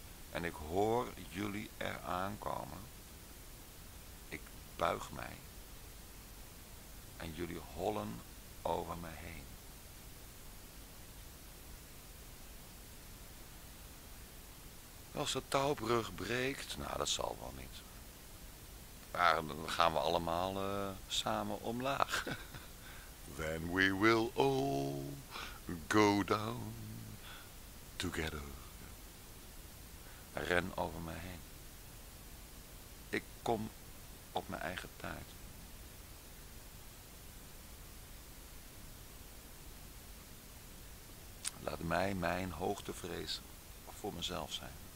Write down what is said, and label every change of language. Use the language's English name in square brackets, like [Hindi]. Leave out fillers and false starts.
[Dutch] En ik hoor jullie eraan komen. Ik buig mij. En jullie hollen over mij heen. Als de touwbrug breekt, nou dat zal wel niet. Maar dan gaan we allemaal samen omlaag. [English] Then we will all go down together. [Dutch] Ren over mij heen. Ik kom op mijn eigen tijd. Laat mij mijn hoogtevrees voor mezelf zijn.